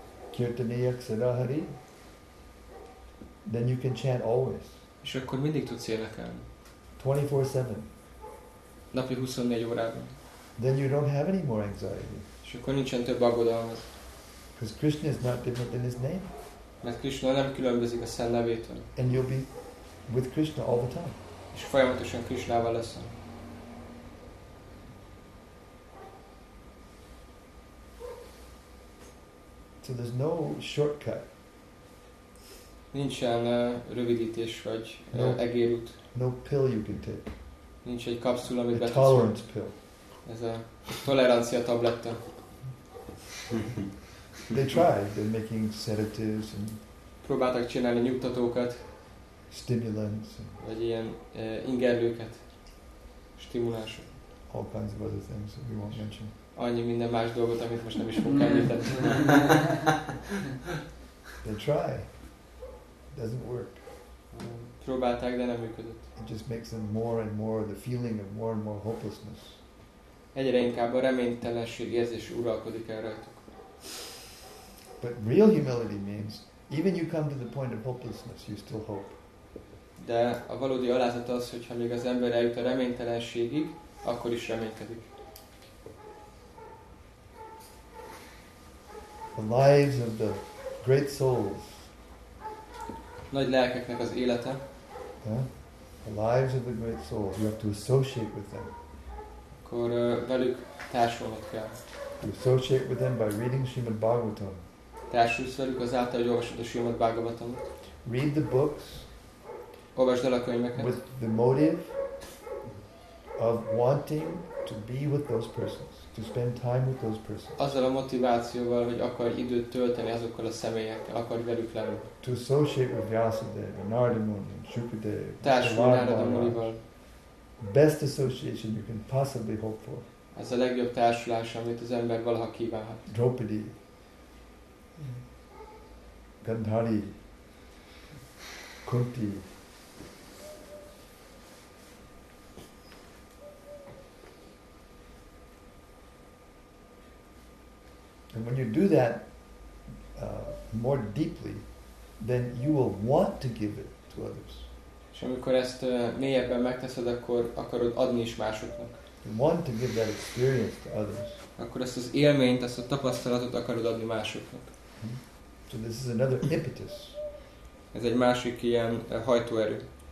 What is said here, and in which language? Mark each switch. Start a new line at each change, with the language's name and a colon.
Sanskrit: Kirtaniyak sadahari.
English: Then you can chant always.
Hungarian: És akkor mindig tudsz énekelni.
English: 24/7.
Hungarian: Napi 24 órában.
English: Then you don't have any more anxiety.
Hungarian: És akkor nincsen több aggodalmat.
English: Because Krishna is not different than his name.
Hungarian: Mert Krishna nem különbözik a szent nevétől.
English: And you'll be with Krishna all the time.
Hungarian: És folyamatosan Krishnával leszel.
English: So there's no shortcut.
Hungarian: Nincsen rövidítés vagy egérút.
English: No pill you can take.
Hungarian: Nincs egy kapszula, amit betesz.
English: Tolerance pill.
Hungarian: Ez a tolerancia tabletta.
English: They tried. They're making sedatives and.
Hungarian: Próbáltak csinálni nyugtatókat.
English: Stimulants.
Hungarian: Vagy ilyen ingerlőket, stimulások.
English: All kinds of other things that we won't mention.
Hungarian: Annyi minden más dolgot, amit most nem is fogok említeni.
English: They try. Doesn't work.
Hungarian: Próbálták, de nem működött.
English: It just makes them more and more the feeling of more and more hopelessness.
Hungarian: Egyre inkább a reménytelenség érzés uralkodik el rajtuk.
English: But real humility means even you come to the point of hopelessness, you still hope.
Hungarian: De a valódi alázat az, hogy ha még az ember eljut a reménytelenségig, akkor is reménykedik.
English: The lives of the great souls.
Hungarian: Nagy lelkeknek az élete.
English: The lives of the great souls. You have to associate with them.
Hungarian: Akkor velük társulnod kell.
English: You associate with them by reading Srimad Bhagavatam.
Hungarian: Társulsz velük azáltal, hogy olvasod a Srimad Bhagavatamot.
English: Read the books.
Hungarian: Olvasd el a könyveket.
English: With the motive of wanting to be with those persons. To spend time with those persons.
Hungarian: Azzal a motivációval, hogy akarj időt tölteni azokkal a személyekkel, akarj velük lenni.
English: To associate with Vyasadeva, Narada Muni, Shukadeva.
Hungarian: Társulj Narada Munival.
English: Best association you can possibly hope for.
Hungarian: Ez a legjobb társulás, amit az ember valaha kívánhat.
English: Draupadi. Gandhari. Kunti. And when you do that more deeply, then you will want to give it to others.
Hungarian: És amikor ezt mélyebben megteszed, akkor akarod adni is másoknak.
English: You want to give that experience to others.
Hungarian: Akkor ezt az élményt, ezt a tapasztalatot akarod adni másoknak.
English: So this is another impetus.
Hungarian: Ez egy másik ilyen hajtóerő.